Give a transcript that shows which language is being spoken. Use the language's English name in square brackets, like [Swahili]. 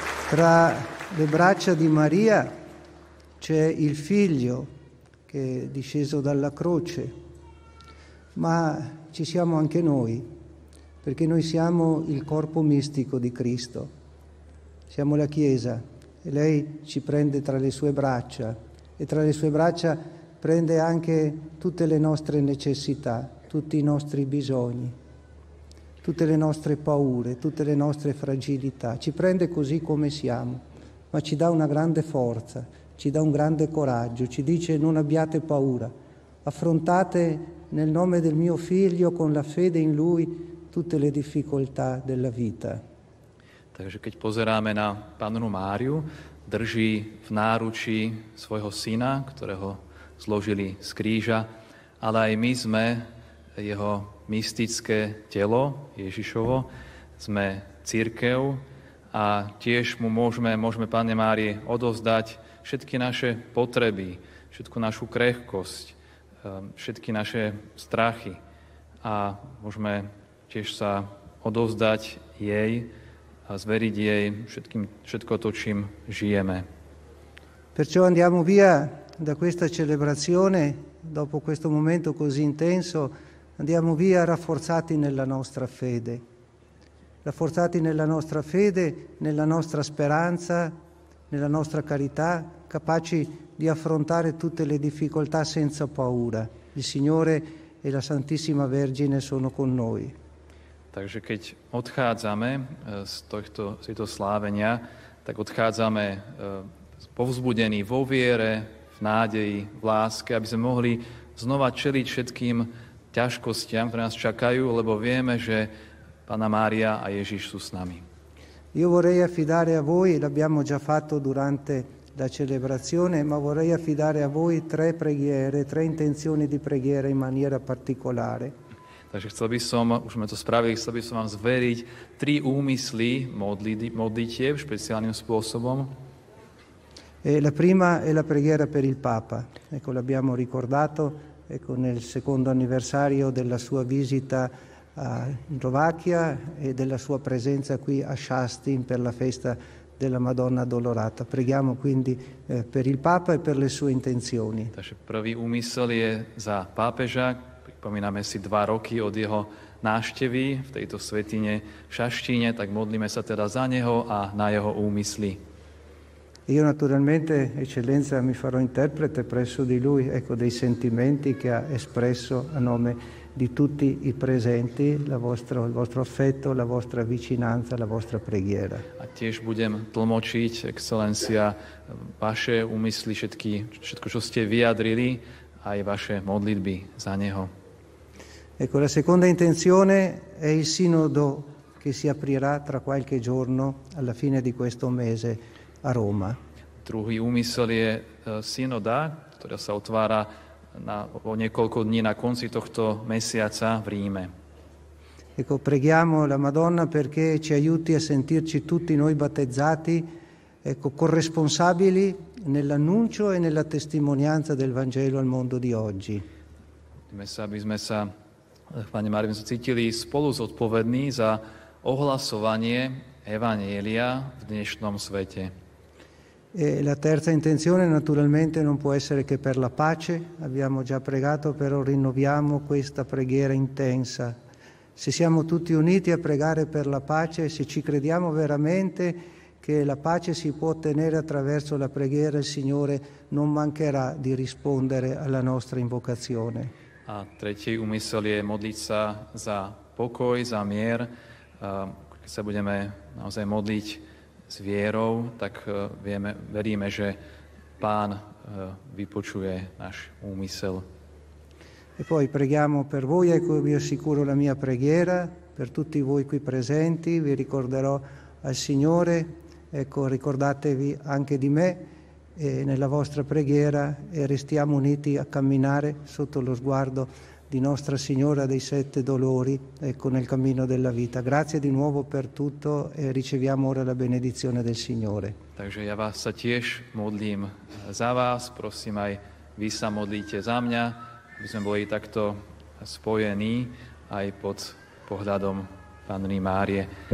[Italian] Tra le braccia di Maria c'è il figlio che è disceso dalla croce, ma ci siamo anche noi, perché noi siamo il corpo mistico di Cristo, siamo la Chiesa, e lei ci prende tra le sue braccia, e tra le sue braccia prende anche tutte le nostre necessità, tutti i nostri bisogni, tutte le nostre paure, tutte le nostre fragilità. Ci prende così come siamo, ma ci dà una grande forza, ci dà un grande coraggio, ci dice: non abbiate paura, affrontate nel nome del mio figlio, con la fede in lui, tutte le difficoltà della vita. [Slovak] Takže keď pozeráme na Pannu Máriu, drží v náručí svojho syna, ktorého zložili z kríža, ale aj my sme jeho mystické telo, Ježišovo, sme cirkev a tiež mu môžeme Panne Márii odovzdať všetky naše potreby, všetku našu krehkosť, všetky naše strachy a môžeme tiež sa odovzdať jej a zveriť jej všetko to, čím žijeme. [Italian] Perciò andiamo via da questa celebrazione dopo questo momento così intenso, andiamo via rafforzati nella nostra fede, rafforzati nella nostra fede, nella nostra speranza, nella nostra carità, capaci di affrontare tutte le difficoltà senza paura. Il Signore e la Santissima Vergine sono con noi. [Slovak] Takže keď odchádzame z tohto sveto slávenia, tak odchádzame povzbudení vo viere, v nádeji, v láske, aby sme mohli znova čeliť všetkým ťažkostiam, ktoré nás čakajú, lebo vieme, že Panna Mária a Ježiš sú s nami. [Italian] Io vorrei affidare a voi, l'abbiamo già fatto durante la celebrazione, ma vorrei affidare a voi tre preghiere, tre intenzioni di preghiera in maniera particolare. [Slovak] Takže chcel by som, už sme to spravili, chcel by som vám zveriť tri úmysly modlitiev špeciálnym spôsobom. [Italian] E la prima è la preghiera per il Papa. Ecco, l'abbiamo ricordato, ecco, nel secondo anniversario della sua visita a Slovacchia e della sua presenza qui a Šastin per la festa della Madonna Addolorata. Preghiamo quindi per il Papa e per le sue intenzioni. [Slovak] Takže prvý úmysel je za pápeža. Pripomíname si 2 roky od jeho návštevy v tejto svätyni v Šaštíne, tak modlíme sa teda za neho a na jeho úmysly. [Italian] Io naturalmente, eccellenza, mi farò interprete presso di lui, ecco, dei sentimenti che ha espresso a nome di tutti i presenti, il vostro affetto, la vostra vicinanza, la vostra preghiera. [Slovak] A tiež budem tlmočiť, excelencia, vaše úmysly, všetko, čo ste vyjadrili, aj vaše modlitby za neho. [Italian] Ecco, la seconda intenzione è il sinodo che si aprirà tra qualche giorno, alla fine di questo mese, a Roma. [Slovak] Druhý úmysel je synoda, ktorá sa otvára o niekoľko dní na konci tohto mesiaca v Ríme. [Italian] Ecco, preghiamo la Madonna perché ci aiuti a sentirci tutti noi battezzati, ecco, corresponsabili nell'annuncio e nella testimonianza del Vangelo al mondo di oggi. [Slovak] Pane Mário, my sme cítili spolu zodpovední za ohlasovanie Evanjelia v dnešnom svete. [Italian] E la terza intenzione naturalmente non può essere che per la pace. Abbiamo già pregato, però rinnoviamo questa preghiera intensa. Se siamo tutti uniti a pregare per la pace, se ci crediamo veramente che la pace si può ottenere attraverso la preghiera, il Signore non mancherà di rispondere alla nostra invocazione. [Slovak] A tretí úmysel je modliť sa za pokoj, za mier. Keď sa budeme naozaj modliť s vierou, tak vieme, veríme, že Pán vypočuje náš úmysel. [Italian] E poi preghiamo per voi, ecco, vi assicuro la mia preghiera, per tutti voi qui presenti, vi ricorderò al Signore, ecco, ricordatevi anche di me, e nella vostra preghiera e restiamo uniti a camminare sotto lo sguardo di Nostra Signora dei Sette Dolori, ecco, nel cammino della vita. Grazie di nuovo per tutto e riceviamo ora la benedizione del Signore. [Slovak] Takže ja vás sa tiež modlím za vás, prosím aj vy sa modlíte za mňa, aby sme boli takto spojení aj pod pohľadom Panny Márie.